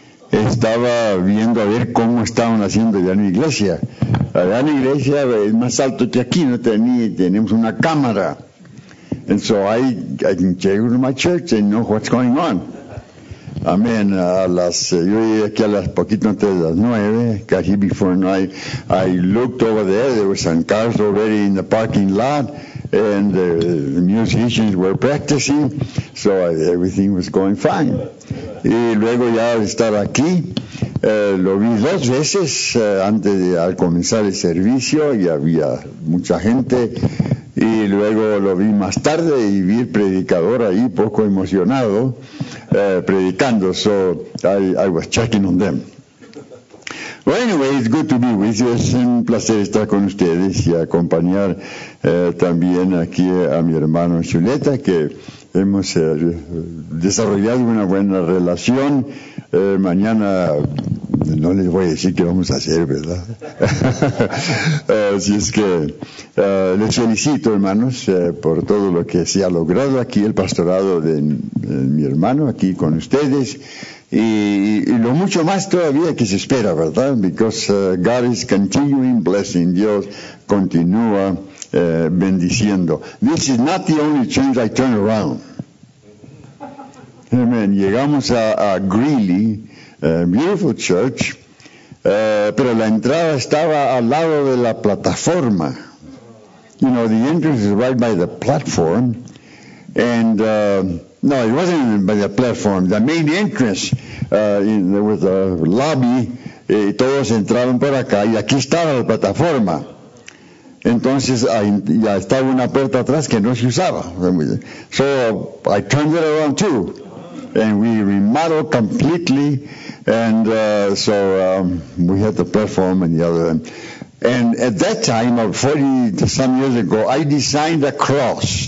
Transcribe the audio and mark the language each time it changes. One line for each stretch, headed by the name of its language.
Spanish: Estaba viendo a ver cómo estaban haciendo ya en mi iglesia. Allá en la iglesia es más alto que aquí, no tenemos una cámara.
English: And so I can check with my church and know what's going on. Amén.
Spanish: A las, yo diría que a las poquito antes de las 9, casi
English: before 9, I looked over there. There were some cars already in the parking lot, and the musicians were practicing, so everything was going fine.
Spanish: Y luego ya al estar aquí, lo vi dos veces antes de al comenzar el servicio, y había mucha gente. Y luego lo vi más tarde y vi el predicador ahí poco emocionado predicando.
English: So I was checking on them. Well, anyway, it's good to be with you.
Spanish: Es un placer estar con ustedes y acompañar también aquí a mi hermano Chuleta, que hemos desarrollado una buena relación. Mañana no les voy a decir qué vamos a hacer, ¿verdad? Así es que les felicito, hermanos, por todo lo que se ha logrado aquí, el pastorado de mi hermano aquí con ustedes. Y lo mucho más todavía que se espera, ¿verdad?
English: Because God is continuing blessing.
Spanish: Dios continúa bendiciendo.
English: This is not the only change I turn around. Amen.
Spanish: Llegamos a Greeley,
English: beautiful church,
Spanish: pero la entrada estaba al lado de la plataforma.
English: You know, the entrance is right by the platform, and no, it wasn't by the platform. The main entrance, there was a lobby,
Spanish: y todos entraron por acá, y aquí estaba la plataforma. Entonces, ya estaba una puerta atrás que no se usaba.
English: So, I turned it around too, and we remodeled completely, and we had the platform and the other end. And at that time, 40 some years ago, I designed a cross.